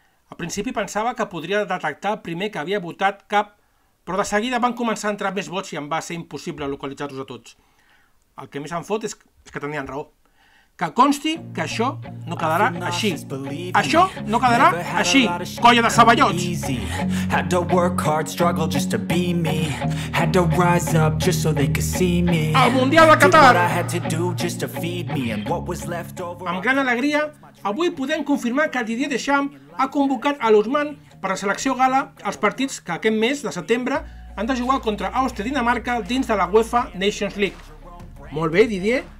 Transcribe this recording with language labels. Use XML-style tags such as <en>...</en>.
<ca>Al principi pensava que podria detectar el primer que havia votat cap, però de seguida van començar a entrar més vots i em va ser impossible localitzar-los a tots. El que més em fot és que tenien raó. Que consti que això no quedarà així. Això no quedarà així, colla de saballots.</ca> <en>Had to work hard, struggle just to be me. Had to rise up just so they could see me.</en> <ca>El Mundial de Qatar. Amb gran alegria, avui podem confirmar que Didier Deschamps ha convocat a l'Ousmane per a selecció gala als partits que aquest mes de setembre han de jugar contra Àustria i Dinamarca dins de la UEFA Nations League. Molt bé, Didier.</ca>